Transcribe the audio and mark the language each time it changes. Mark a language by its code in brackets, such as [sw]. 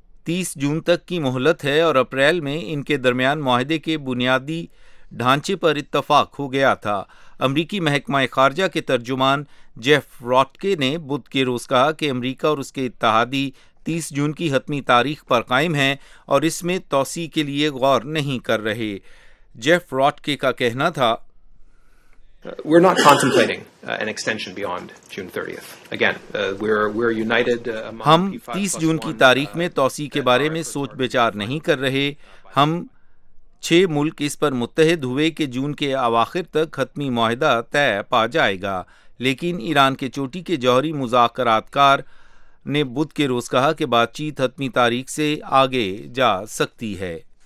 [ur] 30 جون تک کی مہلت ہے، اور اپریل میں ان کے درمیان معاہدے کے بنیادی ڈھانچے پر اتفاق ہو گیا تھا۔ امریکی محکمہ خارجہ کے ترجمان جیف راٹکے نے بدھ کے روز کہا کہ امریکہ اور اس کے اتحادی 30 جون کی حتمی تاریخ پر قائم ہیں اور اس میں توسیع کے لیے غور نہیں کر رہے۔ جیف راٹکے کا کہنا تھا، [en] We're not contemplating an extension beyond June 30th. Again, we're united among [ur] ہم 30 جون کی تاریخ میں توسیع کے بارے میں سوچ بچار نہیں کر رہے۔ ہم 6 ملک اس پر متحد ہوئے کہ جون کے اواخر تک حتمی معاہدہ طے پا جائے گا، لیکن ایران کے چوٹی کے جوہری مذاکرات کار نے بدھ کے روز کہا کہ بات چیت حتمی تاریخ سے آگے جا سکتی ہے۔